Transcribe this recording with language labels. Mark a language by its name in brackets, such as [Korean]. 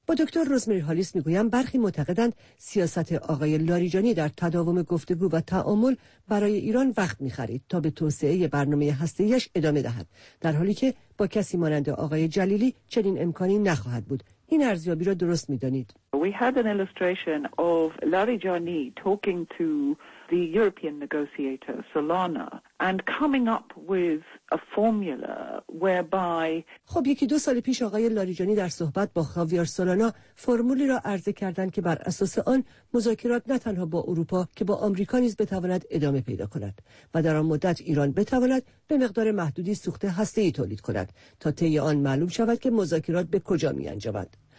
[Persian] با دکتر روزمری هالیس میگویم برخی معتقدند سیاست آقای لاریجانی در تداوم گفتگو و تعامل برای ایران وقت میخرید تا به توسعه برنامه هسته‌ایش ادامه دهد، در حالی که با کسی مانند آقای جلیلی چنین امکانی نخواهد بود. این ارزیابی را درست می‌دانید؟ [English] We had an illustration of Larijani talking to the European negotiator Solana and coming up with a formula whereby [Persian] خب یکی دو سال پیش آقای لاریجانی در صحبت با خاویار سولانا فرمولی را عرضه کردند که بر اساس آن مذاکرات نه تنها با اروپا که با آمریکا نیز بتواند ادامه پیدا کند و در آن مدت ایران بتواند به مقدار محدودی سوخت هسته‌ای تولید کند تا طی آن معلوم شود که مذاکرات به کجا می‌انجامد.